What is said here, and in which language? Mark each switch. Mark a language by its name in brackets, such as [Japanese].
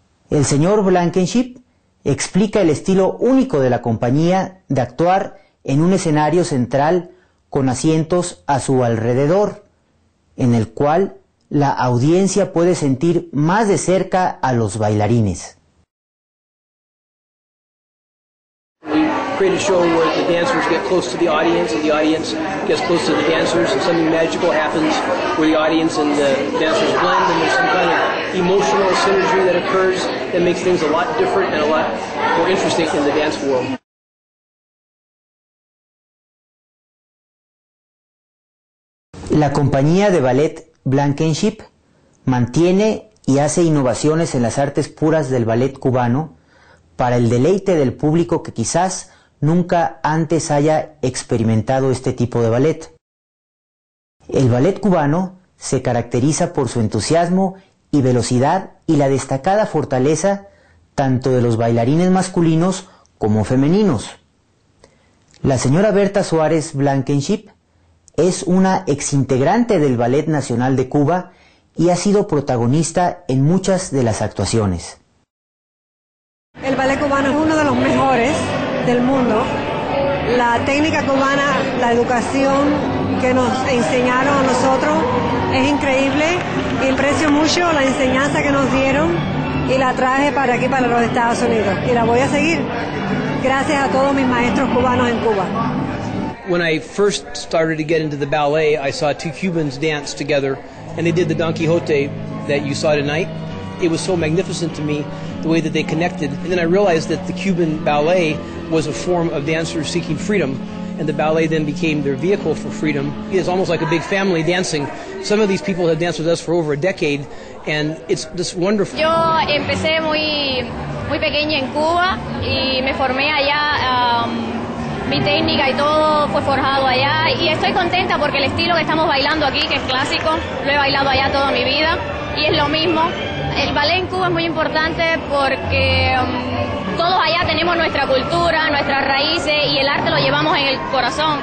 [Spanish] El señor Blankenship explica el estilo único de la compañía de actuar en un escenario central con asientos a su alrededor, en el cual la audiencia puede sentir más de cerca a los bailarines. [English] Create a show where the dancers get close to the audience and the audience gets close to the dancers, and something magical happens where the audience and the dancers blend, and there's some kind of emotional synergy that occurs that makes things a lot different and a lot more interesting in the dance world. [Spanish] La compañía de ballet Blankenship mantiene y hace innovaciones en las artes puras del ballet cubano para el deleite del público que quizás nunca antes haya experimentado este tipo de ballet. El ballet cubano se caracteriza por su entusiasmo y velocidad y la destacada fortaleza tanto de los bailarines masculinos como femeninos. La señora Berta Suárez Blankenship es una exintegrante del Ballet Nacional de Cuba y ha sido protagonista en muchas de las actuaciones. El ballet cubano es uno de los mejores del mundo. La técnica cubana, la educación que nos enseñaron a nosotros es increíble. Y aprecio mucho la enseñanza que nos dieron y la traje para aquí, para los Estados Unidos. Y la voy a seguir gracias a todos mis maestros cubanos en Cuba. [English] When I first started to get into the ballet, I saw two Cubans dance together, and they did the Don Quixote that you saw tonight. It was so magnificent to me, the way that they connected. And then I realized that the Cuban ballet was a form of dancers seeking freedom, and the ballet then became their vehicle for freedom. It's almost like a big family dancing. Some of these people have danced with us for over a decade, and it's just wonderful. [Spanish] Yo empecé muy pequeña en Cuba, y me formé allá. Mi técnica y todo fue forjado allá y estoy contenta porque el estilo que estamos bailando aquí, que es clásico, lo he bailado allá toda mi vida y es lo mismo. El ballet en Cuba es muy importante porque todos allá tenemos nuestra cultura, nuestras raíces y el arte lo llevamos en el corazón.